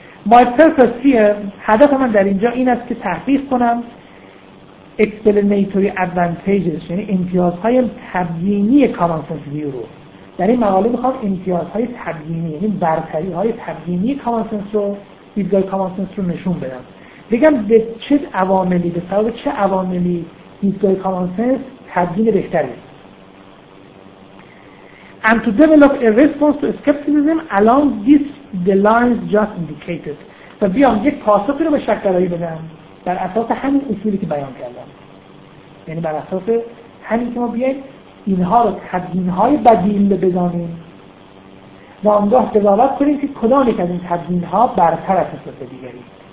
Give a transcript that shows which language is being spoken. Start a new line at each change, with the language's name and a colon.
English: My purpose here،
Persian: هدف من در اینجا این است که تحقیق کنم explanatory advantages، یعنی امتیازهای تبیینی common sense view رو، در این مقاله میخوام امتیازهای تبیینی، یعنی برتری‌های تبیینی کامن سنس رو، دیدگاه کامن سنس رو نشون بدم. بگم به چه عواملی، به سبب چه عواملی دیدگاه کامن سنس تبیین بهتری است.
English: And to develop a response to skepticism along this the lines just indicated.
Persian: و بیام یک پاسخی رو به شکلگرایی بدم بر اساس همین اصولی که بیان کردم. یعنی بر اساس همین که ما بیاییم اینها رو تبیین‌های بدیل بدانیم و آنگاه قضاوت کنیم که کدام یک از این تبیین‌ها برتر از نسبت به دیگری.